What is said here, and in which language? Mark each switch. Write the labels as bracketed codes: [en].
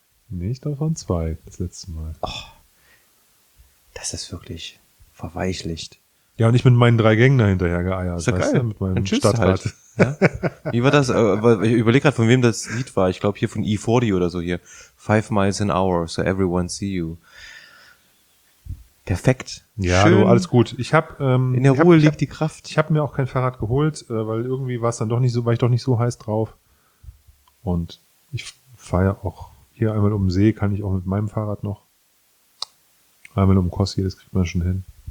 [de] Nee, ich glaube, waren zwei das letzte Mal. Och, das ist wirklich verweichlicht. Ja, und ich mit meinen drei Gängen dahinterher geeiert. Ist ja geil. Mit meinem Stadtrat. Halt. Ja? Wie war das? Ich überlege gerade, von wem das Lied war. Ich glaube, hier von E40 oder so hier. [en] 5 miles an hour, so everyone see you. [de] Perfekt. Ja, du, alles gut. Ich habe in der Ruhe liegt die Kraft. Ich habe mir auch kein Fahrrad geholt, weil irgendwie war es dann doch nicht so, war ich doch nicht so heiß drauf. Und ich fahre ja auch hier einmal um den See, kann ich auch mit meinem Fahrrad noch. Einmal um Kossi, das kriegt man schon hin.